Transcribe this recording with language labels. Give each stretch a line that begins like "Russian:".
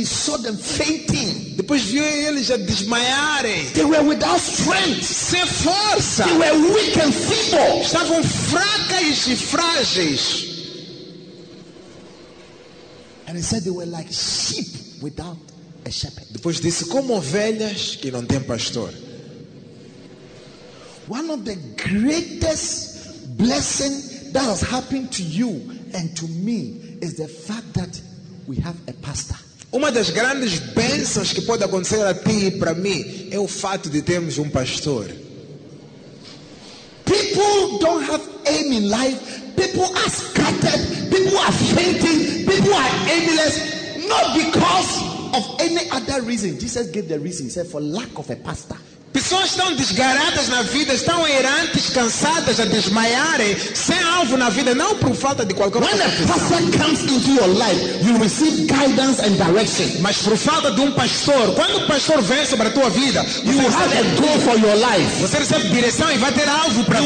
English: he saw them fainting.
Portuguese: Depois viu eles a desmaiarem.
English: They were without strength.
Portuguese: Sem força.
English: They were weak and feeble.
Portuguese: Estavam fracas e frágeis.
English: And he said they were like sheep without a shepherd.
Portuguese: Depois disse como ovelhas que não têm pastor.
English: One of the greatest blessings that has happened to you and to me is the fact that we have a pastor.
Portuguese: Uma das grandes bênçãos que pode acontecer a ti e para mim é o fato de termos pastor.
English: People don't have aim in life. People are scattered. People are fainting. People are aimless. Not because of any other reason. Jesus gave the reason. He said, for lack of a pastor.
Portuguese: Pessoas estão desgarradas na vida, estão errantes, cansadas, a desmaiarem, sem alvo na vida, não por falta de qualquer outra pessoa.
English: When a pastor comes into your life, you receive guidance and direction.
Portuguese: Mas por falta de pastor, quando o pastor vem sobre a tua vida,
English: you have a goal for your life.
Portuguese: Você recebe direção e vai ter alvo para ti.